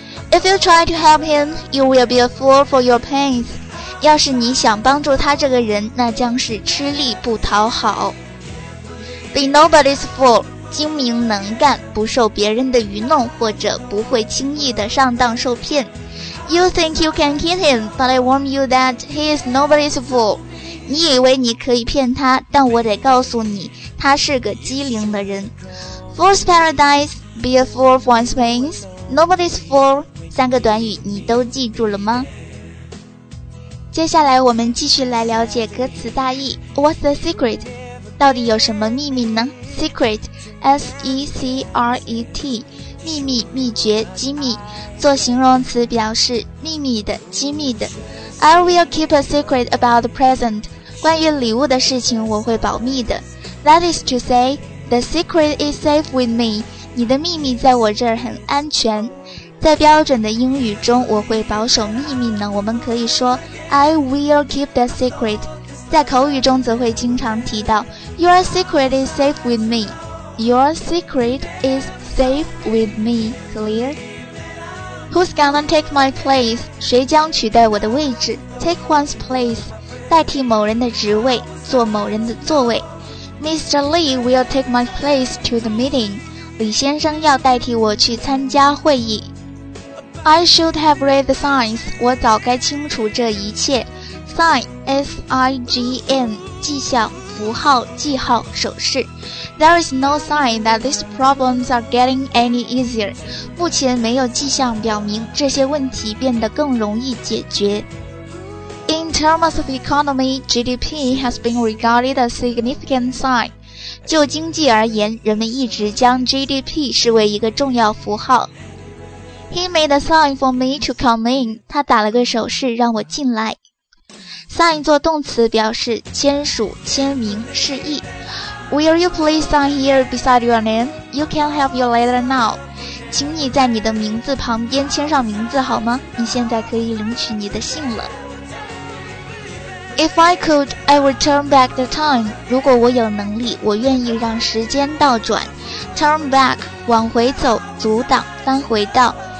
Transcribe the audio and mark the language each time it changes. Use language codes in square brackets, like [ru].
[en] If you try to help him, you will be a fool for your pains. [zh] 要是你想帮助他这个人，那将是吃力不讨好。 [en] Be nobody's fool. [zh] 精明能干，不受别人的愚弄，或者不会轻易的上当受骗。 [en] You think you can kid him, but I warn you that he is nobody's fool. [zh] 你以为你可以骗他，但我得告诉你，他是个机灵的人。 [en] Fool's paradise, be a fool for one's pains, nobody's fool. [zh] 三个短语你都记住了吗？接下来我们继续来了解歌词大意。 [en] What's the secret? [zh] 到底有什么秘密呢？Secret, S-E-C-R-E-T, 秘密、秘诀、机密，做形容词表示秘密的、机密的。 [en] I will keep a secret about the present. [zh] 关于礼物的事情我会保密的。 [en] That is to say, the secret is safe with me. [zh] 你的秘密在我这儿很安全。在标准的英语中，我会保守秘密呢，我们可以说 [en] I will keep the secret. [zh] 在口语中则会经常提到 [en] Your secret is safe with me Your secret is safe with me Clear? Who's gonna take my place? [zh] 谁将取代我的位置 [en] Take one's place [zh] 代替某人的职位做某人的座位 Mr. [en] Lee will take my place to the meeting [zh] 李先生要代替我去参加会议 [en] I should have read the signs [zh] 我早该清楚这一切Sign, S-I-G-N, 迹象、符号、记号、手势。 [en] There is no sign that these problems are getting any easier. [zh] 目前没有迹象表明这些问题变得更容易解决。 [en] In terms of economy, GDP has been regarded a significant sign. [zh] 就经济而言，人们一直将 GDP 视为一个重要符号。 [en] He made a sign for me to come in. [zh] 他打了个手势让我进来。 Sign 做动词表示签署、签名、示意。 [en] Will you please sign here beside your name? You can have your letter now. [zh] 请你在你的名字旁边签上名字好吗？你现在可以领取你的信了。 [en] If I could, I would turn back the time. [zh] 如果我有能力，我愿意让时间倒转。 [en] Turn back, [zh] 往回走，阻挡，翻回道。